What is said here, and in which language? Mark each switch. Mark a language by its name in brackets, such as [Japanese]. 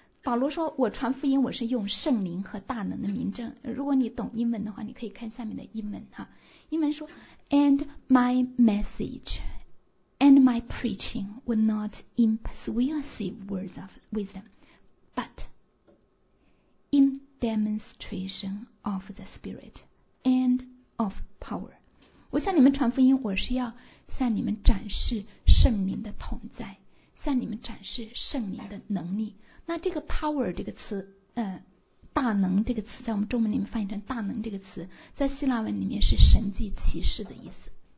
[Chinese] 保罗说我传福音我是用圣灵和大能的明证，如果你懂英文的话你可以看下面的英文哈，英文说 [English] And my message and my preaching were not in persuasive words of wisdom but demonstration of the Spirit and of power. [Chinese] 我向你们传福音，我是要向你们展示圣灵的同在，向你们展示圣灵的能力。那这个 power 这个词，大能这个词，在我们中文里面翻译成大能这个词，在希腊文里面是神迹奇事的意思。